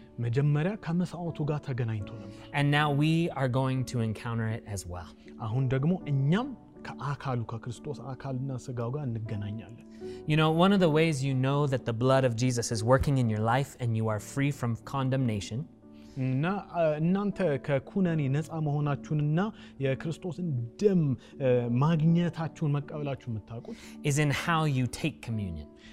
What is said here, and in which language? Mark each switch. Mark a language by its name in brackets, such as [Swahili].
[Amharic] መጀመሪያ ከመስዋዕቱ ጋር ተገናኝቶ ነበር. [English] And now we are going to encounter it as well. [Amharic] አሁን ደግሞ እኛም ከአካሉ ከክርስቶስ አካልና ስጋው ጋር እንገናኛለን. [English] You know, one of the ways you know that the blood of Jesus is working in your life and you are free from condemnation. [Amharic] እና እናንተ ከኩነኔ ነፃ መሆናችሁንና የክርስቶስን ደም ማግኘታችሁን መቀበላችሁን መታቁት [English] is in how you take communion.